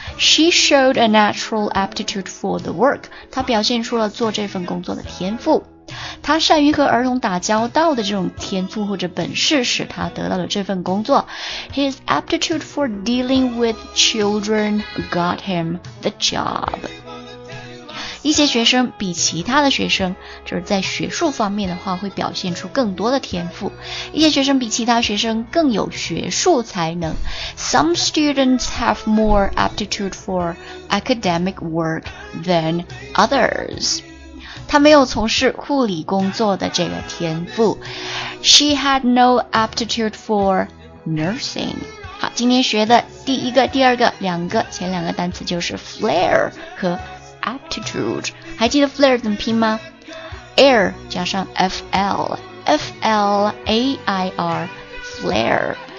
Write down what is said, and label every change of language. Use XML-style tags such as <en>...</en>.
<en>She showed a natural aptitude for the work.</en> <zh>她表现出了做这份工作的天赋。她善于和儿童打交道的这种天赋或者本事使她得到了这份工作。</zh> <en>His aptitude for dealing with children got him the job.</en> <zh>一些学生比其他的学生就是在学术方面的话会表现出更多的天赋。一些学生比其他学生更有学术才能。</zh> <en>Some students have more aptitude for academic work than others.</en> <zh>她没有从事护理工作的这个天赋。</zh> <en>She had no aptitude for nursing.</en> <zh>好，今天学的第一个、第二个、两个、前两个单词就是 flair 和 aptitude。还记得 flair 怎么拼吗 ？air 加上 fl, flair, flair。</zh>